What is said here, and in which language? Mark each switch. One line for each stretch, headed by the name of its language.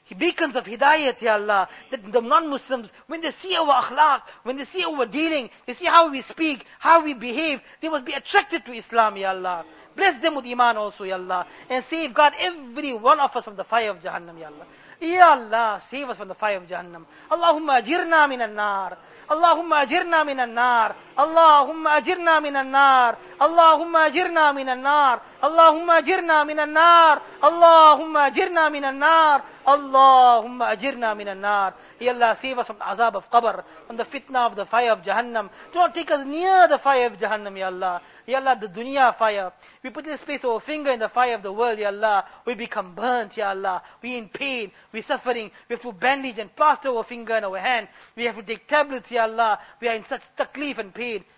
English: beacons of hidayat, Ya Allah, that the non-Muslims, when they see our akhlaq, when they see our dealing, they see how we speak, how we behave, they must be attracted to Islam, Ya Allah. Bless them with iman also, Ya Allah. And save God every one of us from the fire of Jahannam, Ya Allah. Ya Allah, save us from the fire of Jahannam.
Arabic: Allahumma ajirna minan nar. اللهم اجرنا من النار اللهم اجرنا من النار اللهم اجرنا من النار اللهم اجرنا من النار اللهم اجرنا من النار اللهم اجرنا من النار يا الله
English: save us from the عذاب of قبر from the fitna of the fire of Jahannam. Do not take us near the fire of Jahannam, Ya Allah. Ya Allah, the dunya fire. We put this place of our finger in the fire of the world, Ya Allah. We become burnt, Ya Allah. We in pain, we suffering. We have to bandage and plaster our finger in our hand. We have to take tablets, Ya Allah. We are in such taklif and pain.